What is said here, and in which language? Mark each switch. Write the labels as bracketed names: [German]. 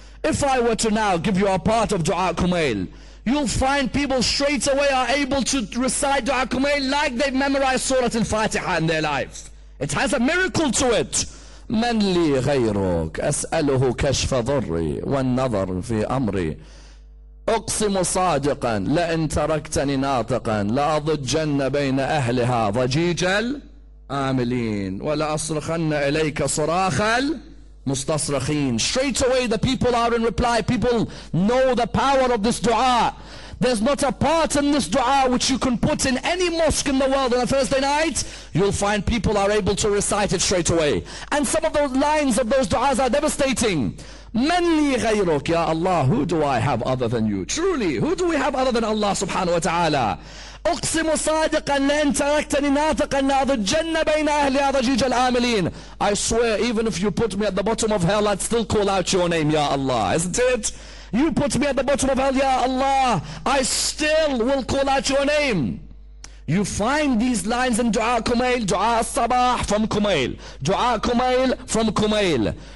[English] If I were to now give you a part of Dua Kumail, you'll find people straight away are able to recite Dua Kumail like they've memorized Surah Al-Fatiha in their life. It has a miracle to it. [Arabic] من لي غيرك أسأله كشف ضري والنظر في أمري أقسم صادقا لأن تركتني ناطقا لأضجن بين أهلها ضجيج الآملين ولأصرخن إليك صراخا مستصرخين. [English] Straight away the people are in reply. People know the power of this dua. There's not a part in this dua which you can put in any mosque in the world on a Thursday night. You'll find people are able to recite it straight away. And some of those lines of those du'as are devastating. [Arabic] من لي غيرك يا الله. [English] Who do I have other than you? Truly, who do we have other than Allah subhanahu wa ta'ala? [Arabic] أقسم صادقا لأن تركتني ناطقا لأضجن بين أهلي ضجيج الآملين. [English] I swear, even if you put me at the bottom of hell, I'd still call out your name, ya Allah. Isn't it? You put me at the bottom of hell, ya Allah, I still will call out your name. You find these lines in Dua Kumail, Dua Sabah from Kumail, Dua Kumail from Kumail.